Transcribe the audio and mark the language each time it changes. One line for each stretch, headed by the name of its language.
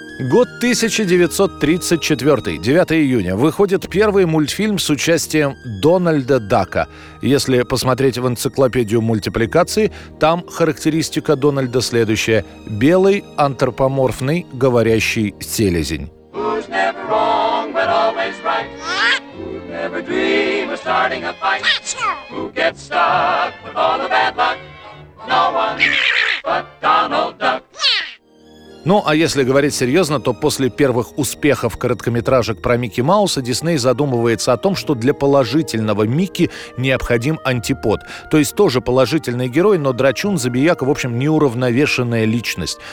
Russian: Год 1934, 9 июня. Выходит первый мультфильм с участием Дональда Дака. Если посмотреть в энциклопедию мультипликации, там характеристика Дональда следующая. Белый, антропоморфный, говорящий селезень.
English: Who's never wrong, but always right? Who'd never dream of starting a fight? Who gets stuck with all the bad luck? No one but Donald Duck.
Russian: Ну, а если говорить серьезно, то после первых успехов короткометражек про Микки Мауса Дисней задумывается о том, что для положительного Микки необходим антипод. То есть тоже положительный герой, но драчун, забияка, в общем, неуравновешенная личность.